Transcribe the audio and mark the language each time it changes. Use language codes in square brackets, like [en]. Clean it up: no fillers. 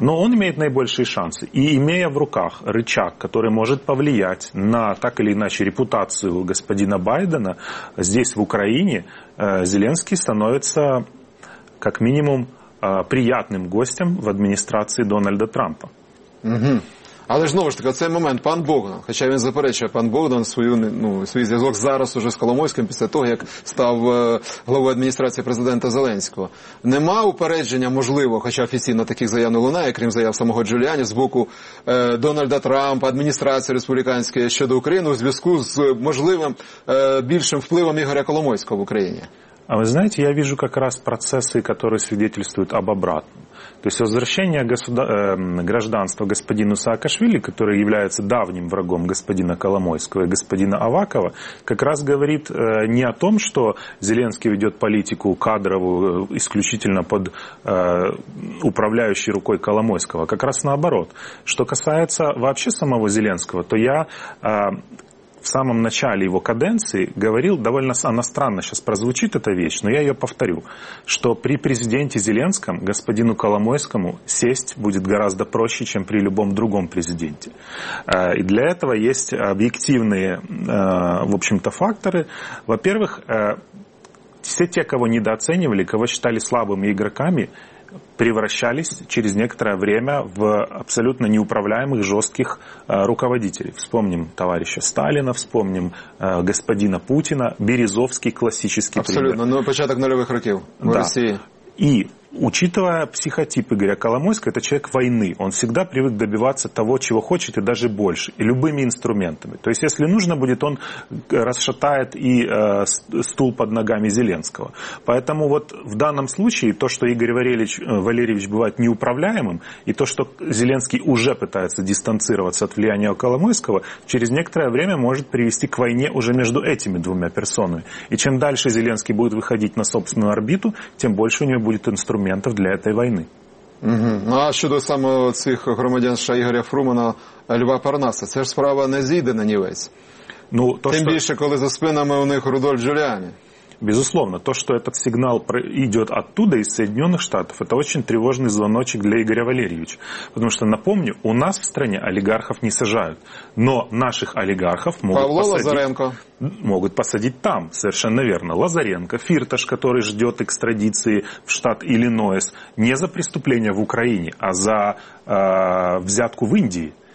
[ru] Но он имеет наибольшие шансы. И имея в руках рычаг, который может повлиять на так или иначе репутацию господина Байдена, здесь, в Украине, Зеленский становится, как минимум, приятным гостем в администрации Дональда Трампа. Угу. [uk] Але знову ж таки, цей момент, пан Богдан, хоча він заперечує, пан Богдан свою, ну, свій зв'язок зараз уже з Коломойським, після того, як став главою адміністрації президента Зеленського. Нема упередження, можливо, хоча офіційно таких заяв не лунає, крім заяв самого Джуліані, з боку Дональда Трампа, адміністрації республіканської щодо України у зв'язку з можливим більшим впливом Ігоря Коломойського в Україні? А ви знаєте, я бачу якраз процеси, які свідчують [ru] об обратному. То есть возвращение гражданства господину Саакашвили, который является давним врагом господина Коломойского и господина Авакова, как раз говорит не о том, что Зеленский ведет политику кадровую исключительно под управляющей рукой Коломойского, как раз наоборот. Что касается вообще самого Зеленского, то я... в самом начале его каденции говорил, довольно она странно сейчас прозвучит эта вещь, но я ее повторю, что при президенте Зеленском господину Коломойскому сесть будет гораздо проще, чем при любом другом президенте. И для этого есть объективные, в общем-то, факторы. Во-первых, все те, кого недооценивали, кого считали слабыми игроками, превращались через некоторое время в абсолютно неуправляемых, жестких руководителей. Вспомним товарища Сталина, вспомним господина Путина, Березовский классический пример. Абсолютно, но [uk] початок [ru] нулевых [uk] років [ru] в России. И учитывая психотип Игоря Коломойского, это человек войны. Он всегда привык добиваться того, чего хочет, и даже больше, и любыми инструментами. То есть, если нужно будет, он расшатает и стул под ногами Зеленского. Поэтому вот в данном случае то, что Игорь Валерьевич бывает неуправляемым, и то, что Зеленский уже пытается дистанцироваться от влияния Коломойского, через некоторое время может привести к войне уже между этими двумя персонами. И чем дальше Зеленский будет выходить на собственную орбиту, тем больше у него будет инструментов для этой войны. Угу. [uk] Ну, а щодо саме цих громадян США Ігоря Фрумана, Льва Парнаса, це ж справа не зійде на нівець. Ну, то, тим більше, коли за спинами у них Рудольф Джуліані. [ru] Безусловно, то, что этот сигнал идет оттуда, из Соединенных Штатов, это очень тревожный звоночек для Игоря Валерьевича. Потому что, напомню, у нас в стране олигархов не сажают, но наших олигархов могут Павло посадить... Лазаренко. Могут посадить там, совершенно верно. Лазаренко, Фирташ, который ждет экстрадиции в штат Иллинойс, не за преступление в Украине, а за взятку в Индии.